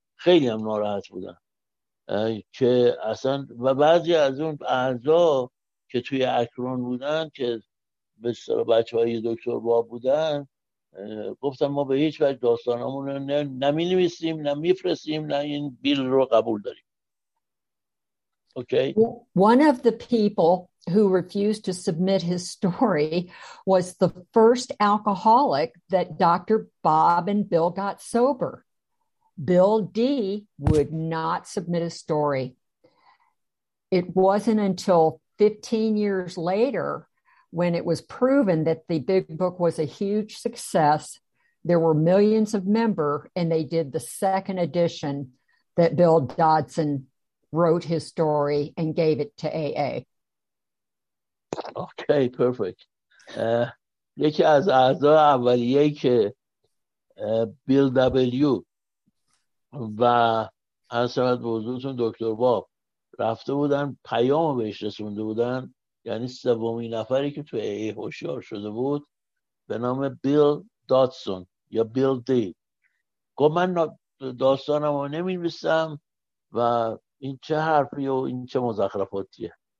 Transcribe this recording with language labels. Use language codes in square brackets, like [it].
[fa] خیلی هم ناراحت بودن که اصلا، و بعضی از اون اعضا که توی اکرون بودن که به سر بچه های دکتر باب بودن گفتن ما به هیچ وجه داستانمون رو نمی نویسیم، نمی فرستیم، نه این بیل رو قبول داریم. [en] Okay. One of the people who refused to submit his story was the first alcoholic that Dr. Bob and Bill got sober. Bill D would not submit a story. It wasn't until 15 years later, when it was proven that the Big Book was a huge success, there were millions of members, and they did the second edition, that Bill Dodson wrote his story and gave it to AA. Okay, perfect. [fa] یکی از اعضای اولیه که بیل دبلیو و حضرت بزرگتون دکتر باب رفته بودن پیام بهش رسونده بودن، یعنی سومین نفری که تو AA هوشیار شده بود به نام بیل دادسون یا بیل دی، گفت من داستانم رو نمی‌نویسم و این چه حرفی و این چه مزخرفاتیه.